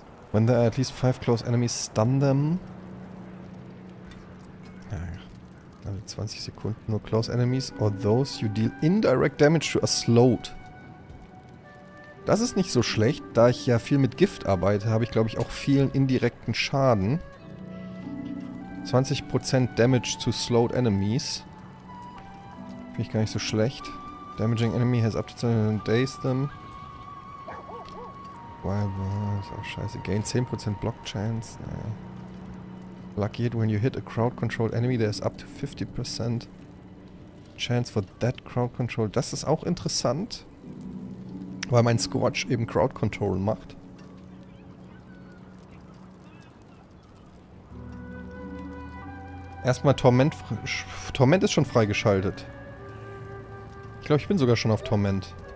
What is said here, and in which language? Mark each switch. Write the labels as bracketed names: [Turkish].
[English] When there are at least 5 close enemies, stun them. [German] Naja, 20 Sekunden nur [English] close enemies or those you deal indirect damage to are slowed. [German] Das ist nicht so schlecht, da ich ja viel mit Gift arbeite, habe ich glaube ich auch vielen indirekten Schaden. [English] 20% damage to slowed enemies. [German] Finde ich gar nicht so schlecht. [English] Damaging enemy has up to 10 days them. [German] Wild ist auch scheiße. [English] Gain 10% Block Chance. [German] Naja. [English] Lucky hit when you hit a crowd controlled enemy, there's up to 50% Chance for that crowd control. [German] Das ist auch interessant, weil mein Scorch eben Crowd Control macht. Erstmal Torment. Torment ist schon freigeschaltet. Ich glaube, ich bin sogar schon auf Torment.